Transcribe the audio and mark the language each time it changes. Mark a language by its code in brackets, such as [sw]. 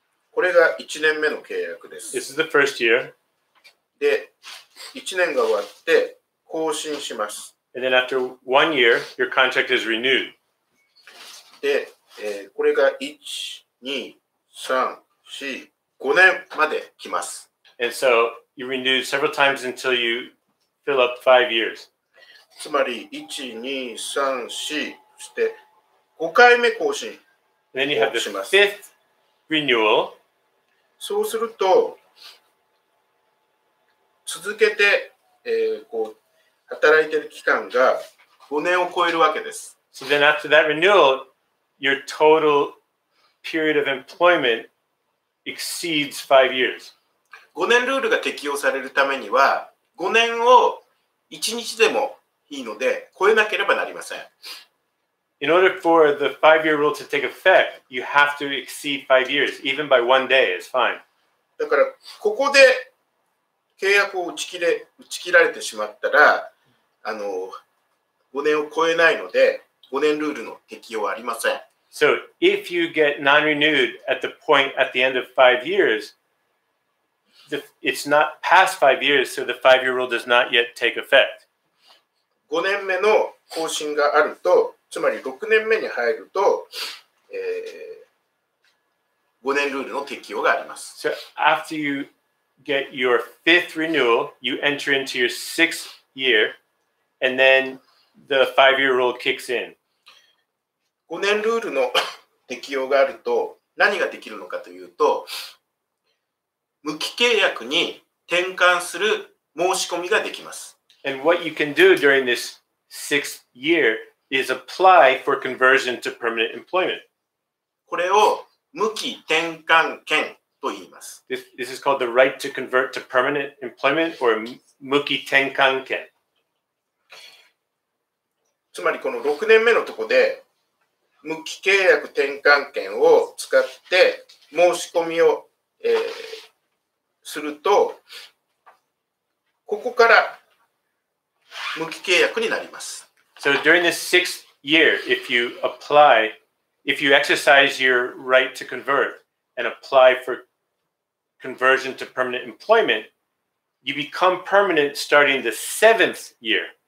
[ja] これが1年目の契約です。 [en] This is the first year. [ja] で、1年が終わって更新します。 [en] And then after 1 year, your contract is renewed. [ja] で、これが1,2,3,4,5年まで来ます。 [en] And so you renew several times until you fill up 5 years. [ja] つまり1,2,3,4して5回目更新。 [en] And then you have the fifth renewal. [ja] そうすると続けて、こう働いている期間が5年を超えるわけです。 [en] So then after that renewal, your total period of employment exceeds 5 years. [ja] 5年ルールが適用されるためには5年を1日でもいいので超えなければなりません。 [en] In order for the 5-year rule to take effect, you have to exceed 5 years, even by one day is fine. [ja] だからここで契約を打ち切られてしまったら、あの5年を超えないので5年ルールの適用はありません。 [en] So if you get non-renewed at the point at the end of 5 years, it's not past 5 years, so the 5-year rule does not yet take effect. [ja] 5年目の更新があると、つまり6年目に入ると、5年ルールの適用があります。 [en] So after you get your fifth renewal, you enter into your sixth year, and then the five-year rule kicks in. [ja] 5年ルールの適用があると、何ができるのかというと、無期契約に転換する申し込みができます。 [en] And what you can do during this sixth year is apply for conversion to permanent employment. [ja] これを無期転換権と言います。 [en] This is called the right to convert to permanent employment or 無期転換権。 [ja] つまりこの6年目のとこで無期契約転換権を使って申し込みを、すると、ここから無期契約になります。 [en] So during the sixth year, if you exercise your right to convert and apply for conversion to permanent employment, you become permanent starting the seventh year.